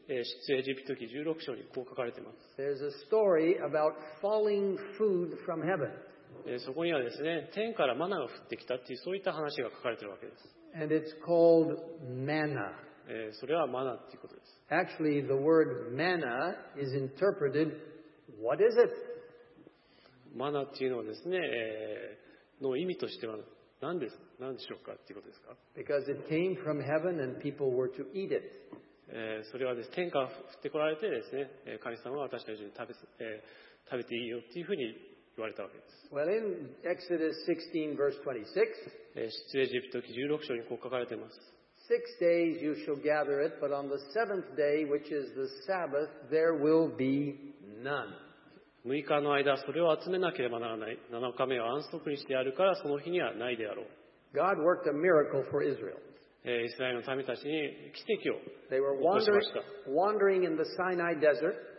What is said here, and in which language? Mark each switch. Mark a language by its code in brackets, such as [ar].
[ja] 出エジプト記16章にこう書かれています。 [en] There's a story about falling food from heaven. [ja] そこにはですね、天からマナが降ってきたっていう、そういった話が書かれているわけです。 [en] And it's called manna. [ja] それはマナっていうことです。 [en] Actually, the word manna is interpreted, what is it? [ja] マナっていうのはですね、の意味としては、何でしょうかということですか。 [en] Because it came from heaven and people were to eat it. [ja] それはです、天から降ってこられてですね、神様は私たちに食べていいよっていうふうに言われたわけです。 [en] Well, in Exodus 16, verse 26, [ja] 出エジプト記16章にこう書かれています。 [en] Six days you shall gather it, but on the seventh day, which is the Sabbath, there will be none. [ja] 6日の間それを集めなければならない。7日目は安息日であるからその日にはないであろう。 [en] God worked a miracle for Israel. [ja] イスラエルの民たちに奇跡を起こしました。 [en] They were wandering in the Sinai desert.